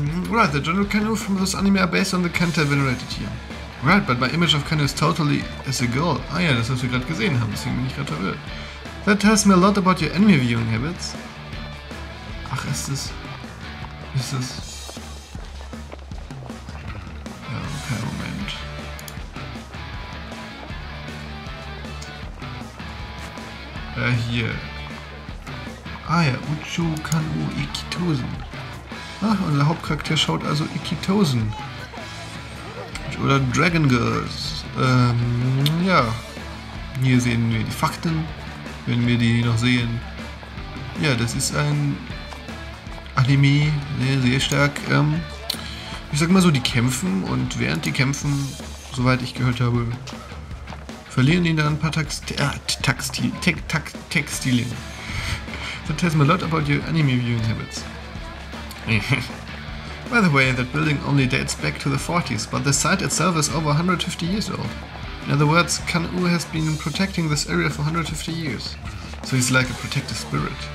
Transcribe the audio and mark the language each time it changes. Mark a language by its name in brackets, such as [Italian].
[English] Right, the general Ken-U from this anime are based on the Kentai venerated here. Right, but my image of Ken-U is totally as a girl. [German] Ah ja, das, was wir gerade gesehen haben, deswegen bin ich gerade verwirrt. [English] That tells me a lot about your anime viewing habits. [German] Ach, ist das... Ist das... Ja, okay, Moment. Hier. Ah ja, Uchu Ken-U Ikitosen. Ach, unser Hauptcharakter schaut also Ikitosen. Oder Dragon Girls. Ja. Hier sehen wir die Fakten. Wenn wir die noch sehen. Ja, das ist ein Anime, sehr, sehr stark. Ich sag mal so, die kämpfen und während die kämpfen, soweit ich gehört habe, verlieren die dann ein paar Textilien. [English] That tells me a lot about your anime viewing habits. By the way, that building only dates back to the 40s, but the site itself is over 150 years old. In other words, Ken-U has been protecting this area for 150 years. So he's like a protective spirit.